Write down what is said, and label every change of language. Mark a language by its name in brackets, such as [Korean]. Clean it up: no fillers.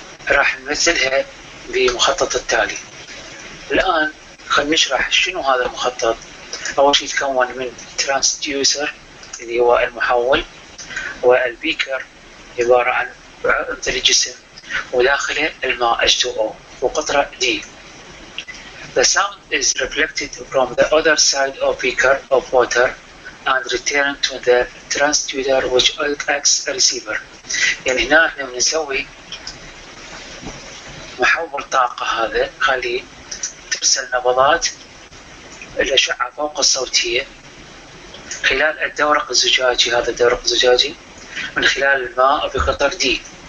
[Arabic] راح نمثلها بمخطط التالي. الآن خلينا نشرح شنو هذا المخطط. أول شيء يتكون من ترانسديوسر اللي هو المحول، والبيكر عبارة عن عنصر الجسم وداخله الماء H2O وقطرة D. [English] The sound is reflected from the other side of beaker of water and returned to the transducer which acts as receiver. [Arabic] يعني هنا احنا بنسوي محول طاقة، هذا خلي ترسل نبضات الأشعة فوق الصوتية خلال الدورق الزجاجي، هذا الدورق الزجاجي من خلال الماء بقطر دي.